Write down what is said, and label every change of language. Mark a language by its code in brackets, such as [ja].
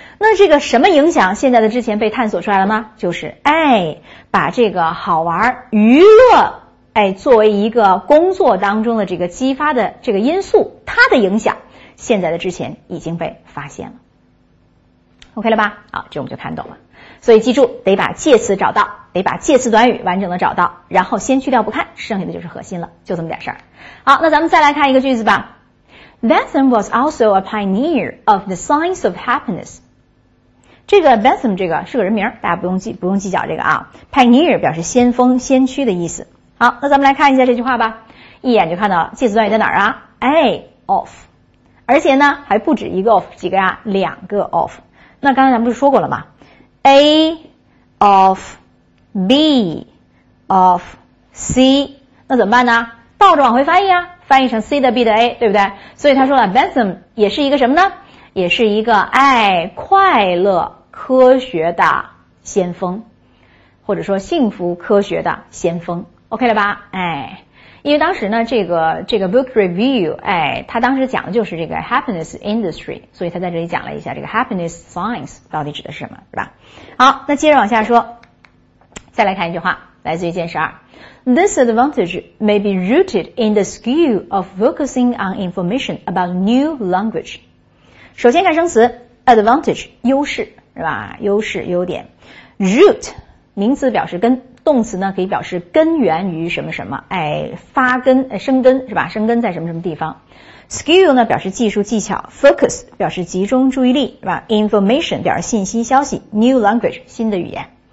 [zh] 那这个什么影响现在的之前被探索出来了吗？就是哎，把这个好玩娱乐，哎，作为一个工作当中的这个激发的这个因素，它的影响现在的之前已经被发现了。 OK 了吧？好，这我们就看懂了。所以记住，得把介词找到，得把介词短语完整的找到，然后先去掉不看，剩下的就是核心了，就这么点事儿。好，那咱们再来看一个句子吧。 [en] Bentham was also a pioneer of the science of happiness。 [zh] 这个 Bentham 这个是个人名，大家不用计较这个啊。 pioneer 表示先锋先驱的意思。好，那咱们来看一下这句话吧，一眼就看到了介词短语在哪儿啊？ A of， 而且呢还不止一个 of， 几个啊？两个 of。那刚才咱们不是说过了吗？ A of B of C， 那怎么办呢？倒着往回翻译啊，翻译成 C 的 B 的 A， 对不对？所以他说了 Bentham 也是一个什么呢？也是一个爱快乐科学的先锋，或者说幸福科学的先锋。 OK 了吧？哎，因为当时呢这个 book review， 哎，他当时讲的就是这个 happiness industry， 所以他在这里讲了一下这个 happiness science 到底指的是什么，是吧？好，那接着往下说，再来看一句话，来自于剑十二。 [en] This advantage may be rooted in the skill of focusing on information about new language。 [zh] 首先看生词 advantage， 优势，是吧？优势优点。 root 名词表示根，动词呢可以表示根源于什么什么，哎，发根生根，是吧？生根在什么什么地方。skill 呢表示技术技巧， focus 表示集中注意力，是吧？ information 表示信息消息， new language 新的语言。